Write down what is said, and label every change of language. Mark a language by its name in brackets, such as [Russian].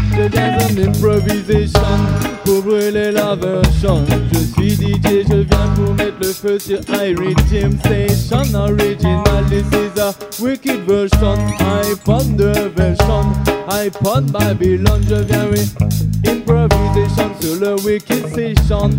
[French] Je viens en improvisation pour brûler la version. Je suis DJ, je viens pour mettre le feu sur Irie Jim Station. [English] Original, this is a wicked version. I found the version. I found Babylon. [French] Je viens en improvisation sur le wicked station.